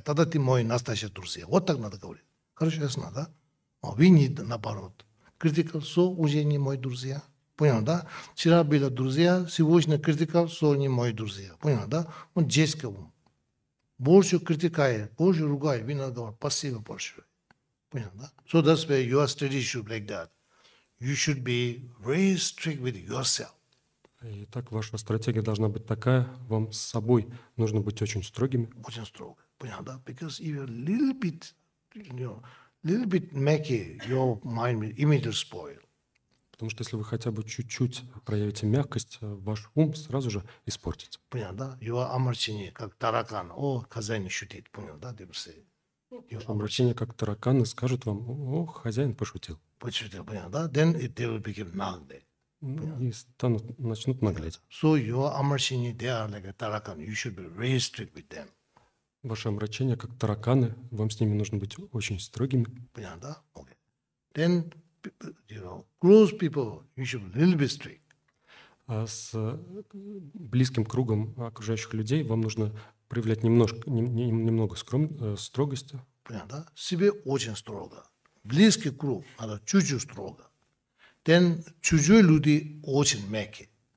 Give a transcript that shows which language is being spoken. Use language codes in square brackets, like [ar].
[ru] Тогда ты мой настоящий друзья. Вот так надо говорить. Короче, ясно, да? А вы не наоборот. Критика, что уже не мой друзья. Понял, да? Вчера были друзья, сегодня критика, что они мои друзья. Понял, да? Он детский ум. Больше критикает, больше ругает, вы надо говорить, спасибо большое. Понял, да? [en] So that's why your study should be like that. You should be very strict with yourself. [ru] Итак, ваша стратегия должна быть такая, вам с собой нужно быть очень строгими. Очень строго, понял, да? [en] Because if you're a little bit, you know, little bit mucky, your mind will immediately spoil. [ru] Потому что если вы хотя бы чуть-чуть проявите мягкость, ваш ум сразу же испортится. Понял, да? Его омрачение, как таракан. О, хозяин шутит. Понял, да? Омрачение, как таракан, и скажут вам, о, хозяин пошутил. Пошутил, понял, да? [en] Then they will become nagle. [ru] И станут, начнут наглеть. [en] So your омрачение, they are like a таракан. You should be very strict with them. [ru] Ваше омрачение, как тараканы, вам с ними нужно быть очень строгими. Понял, да? [en] Okay. Then... You know, close people, you should be a little bit strict. [ru] С близким кругом окружающих людей вам нужно проявлять немного строгости. Понятно, да? Себе очень строго. Близкий круг надо чуть-чуть строго. Then чужие люди очень мягкие.